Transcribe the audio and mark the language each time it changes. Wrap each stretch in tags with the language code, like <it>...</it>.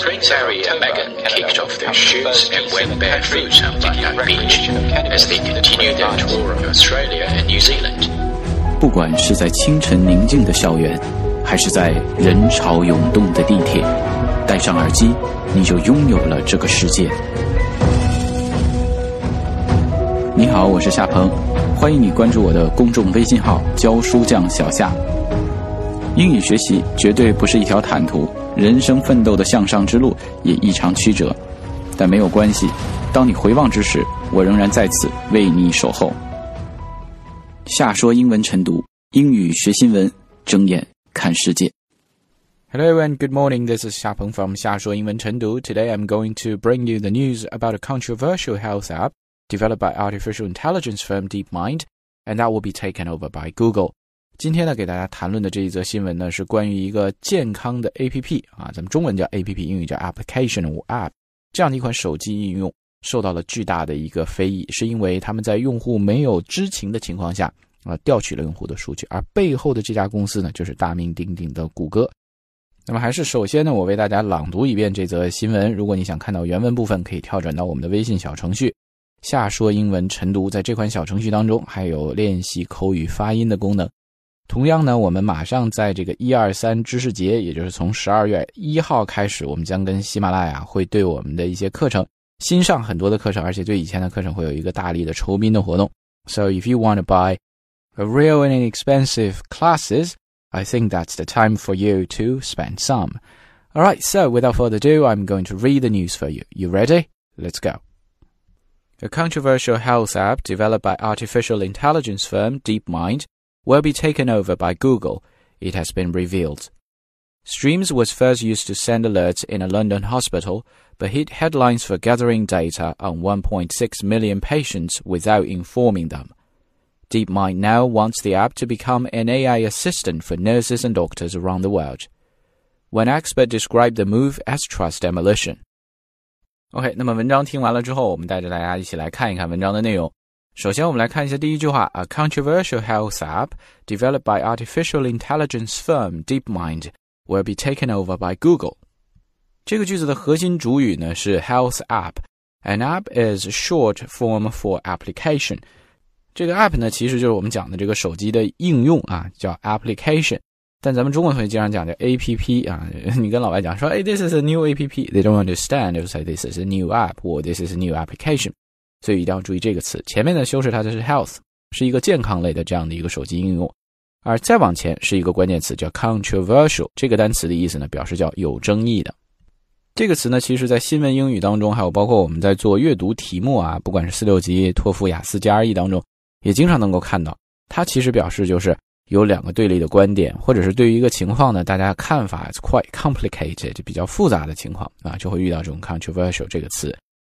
<en>Prince Harry and Meghan kicked off their shoes and went barefoot on Bundang Beach as they continued their tour of Australia and New Zealand.</en> <zh>不管是在清晨宁静的校园，还是在人潮涌动的地铁，戴上耳机，你就拥有了这个世界。你好，我是夏鹏，欢迎你关注我的公众微信号教书匠小夏。英语学习绝对不是一条坦途，人生奋斗的向上之路也异常曲折，但没有关系，当你回望之时，我仍然在此为你守候。夏说英文晨读，英语学新闻，睁眼看世界。</zh> <en>Hello everyone, good morning, this is Xia Peng from 夏说英文晨读。 Today I'm going to bring you the news about a controversial health app developed by artificial intelligence firm DeepMind, and that will be taken over by Google.</en> <zh>今天呢给大家谈论的这一则新闻呢是关于一个健康的 APP, 啊，咱们中文叫 APP, 英语叫</zh> <en>Application or App,</en> <zh>这样的一款手机应用受到了巨大的一个非议，是因为他们在用户没有知情的情况下，调取了用户的数据，而背后的这家公司呢就是大名鼎鼎的谷歌。那么还是首先呢，我为大家朗读一遍这则新闻，如果你想看到原文部分可以跳转到我们的微信小程序夏说英文晨读，在这款小程序当中还有练习口语发音的功能。同样呢，我们马上在这个123知识节，也就是从12月1号开始，我们将跟喜马拉雅会对我们的一些课程新上很多的课程，而且对以前的课程会有一个大力的酬宾的活动。</zh> <en>So if you want to buy a real and inexpensive classes, I think that's the time for you to spend some. Alright, so without further ado, I'm going to read the news for you. You ready? Let's go. A controversial health app developed by artificial intelligence firm DeepMind will be taken over by Google, it has been revealed. Streams was first used to send alerts in a London hospital,but hit headlines for gathering data on 1.6 million patients without informing them. DeepMind now wants the app to become an AI assistant for nurses and doctors around the world. One expert described the move as trust demolition.</en> <zh>OK, 那么文章听完了之后，我们带着大家一起来看一看文章的内容。首先我们来看一下第一句话，</zh> <en>A controversial health app developed by artificial intelligence firm DeepMind will be taken over by Google.</en> <zh>这个句子的核心主语呢是</zh> <en>health app. An app is short form for application.</en> <zh>这个 app 呢其实就是我们讲的这个手机的应用啊，叫 application. 但咱们中文同学经常讲叫 app 啊，你跟老外讲说</zh> <en>hey, this is a new app. They don't understand. They'll say this is a new app or this is a new application.</en> <zh>所以一定要注意这个词。前面的修饰它就是 health, 是一个健康类的这样的一个手机应用。而再往前是一个关键词叫 controversial. 这个单词的意思呢表示叫有争议的。这个词呢其实在新闻英语当中还有包括我们在做阅读题目啊，不管是四六级托福雅思 GRE 当中也经常能够看到，它其实表示就是有两个对立的观点，或者是对于一个情况呢大家看法</zh> <en>is quite complicated,</en> <zh>比较复杂的情况啊，就会遇到这种 controversial 这个词。</zh>